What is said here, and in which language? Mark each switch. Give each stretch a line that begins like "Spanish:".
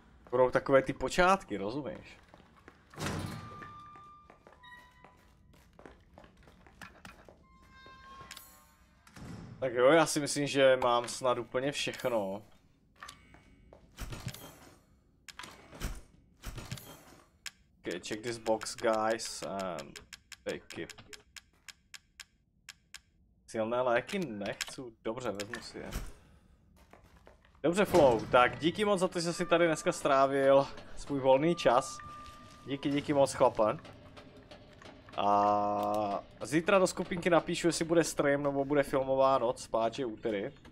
Czech: Budou takové ty počátky, rozumíš? Tak jo, já si myslím, že mám snad úplně všechno.
English: Okay, check this box, guys, and take it.
Czech: Silné léky nechci, dobře, vezmu si je. Dobře, Flow, tak díky moc za to, že jsi tady dneska strávil svůj volný čas. Díky moc, chlapen. A zítra do skupinky napíšu, jestli bude stream nebo bude filmová noc, páče úterý.